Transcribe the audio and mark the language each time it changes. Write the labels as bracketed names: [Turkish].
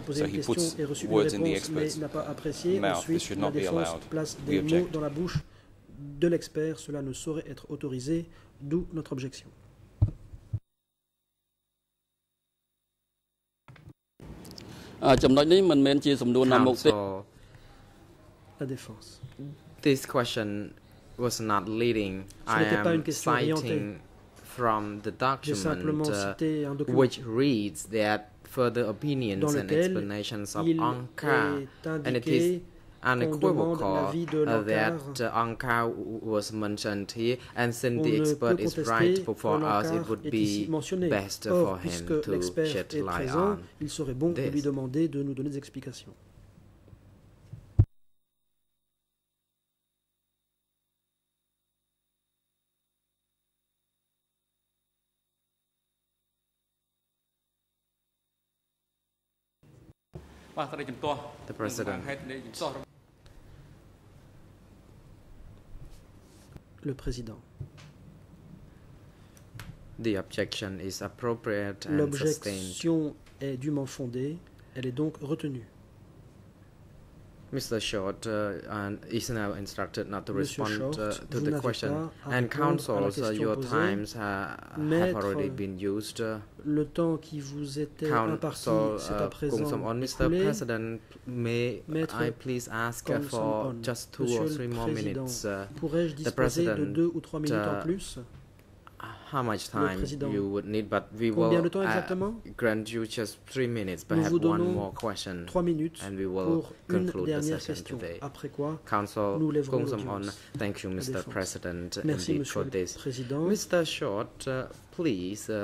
[English] So he puts words in the expert's mouth. This should not be allowed. We object. [French] De l'expert, cela ne saurait être autorisé, d'où notre objection. La défense. [English] This question was not leading. I am citing from the document which reads that further opinions and explanations of Ankara, and it is unequivocal that Ankara was mentioned here, and since on the expert is right before us, it would be best or, for him to shed light on [French] il serait bon [English] this. [French] De lui demander de nous donner des explications. [English] The President. [French] le président. [English] The objection is appropriate and [French] L'objection est dûment fondée, elle est donc retenue. [English] Mr. Short is now instructed not to respond to the question. And counsel, your times have already been used. [French] Le temps qui vous était imparti, c'est à présent écoulé. [English] Mr. President, may I please ask for just two or three more minutes? [French] Pourrais-je disposer de deux ou trois minutes en plus? [English] How much time you would need, but we will grant you just 3 minutes, perhaps one more question, and we will conclude the session today. [French] Après quoi, Council, nous lèverons l'audience. [English] Thank you, Mr. President, [French] Merci, [English] indeed, for this. [French] Président. [English] Mr. Short, please